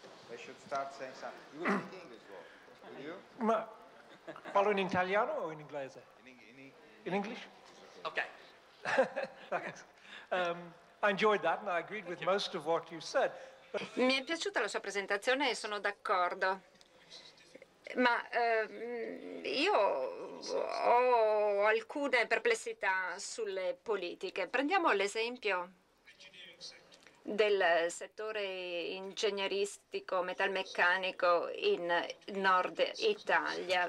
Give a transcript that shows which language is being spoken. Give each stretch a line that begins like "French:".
English: They should start saying something. You will speak English, though. Will you?
Italian: Ma parlo in italiano o in inglese?
English: In English. Okay. Thanks. I enjoyed that and I agreed with most of what you said.
Italian: Mi è piaciuta la sua presentazione e sono d'accordo. Ma io ho alcune perplessità sulle politiche. Prendiamo l'esempio del settore ingegneristico metalmeccanico in Nord Italia.